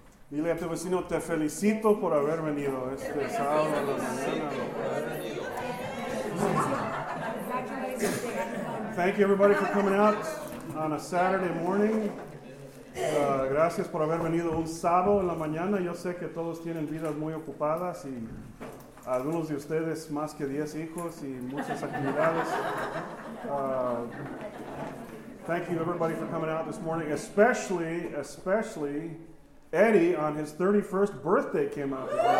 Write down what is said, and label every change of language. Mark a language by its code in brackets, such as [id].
[es] Dile a tu vecino, te felicito por haber venido este sábado a la mañana. [en] Thank you everybody for coming out on a Saturday morning. [es] Gracias por haber venido un sábado en la mañana. Yo sé que todos tienen vidas muy ocupadas y algunos de ustedes más que 10 hijos y muchas actividades. [en] Thank you everybody for coming out this morning, especially Eddie on his 31st birthday came out.